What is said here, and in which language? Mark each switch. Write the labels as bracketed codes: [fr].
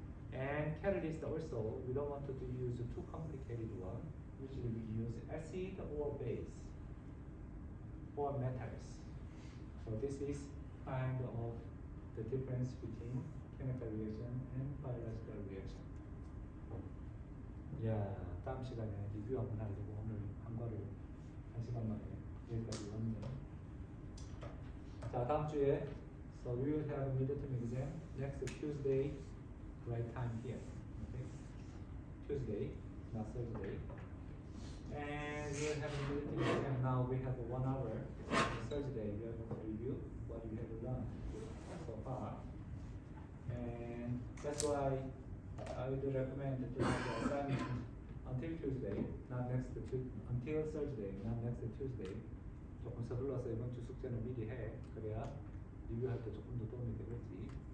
[en] And catalyst also, we don't want to use a too complicated one. Usually we use acid or base or metals. So this is kind of the difference between chemical reaction and biological reaction. [ko] Yeah, 다음 시간에 리뷰 한번 하려고 오늘 한 거를 한 시간 만에 여기까지 왔네요. 자, 다음 주에 [en] so we will have a midterm exam next Tuesday, right time here. Okay? Tuesday, not Thursday. And we will have a midterm exam now. We have 1 hour. Thursday, we have a review what we have done so far. And that's why I would recommend to have the assignment until Tuesday, not next Tuesday, until Thursday, not next Tuesday. [ko] 조금 서둘러서 이번 주 숙제는 미리 해. 그래야 리뷰할 때 조금 더 도움이 되겠지.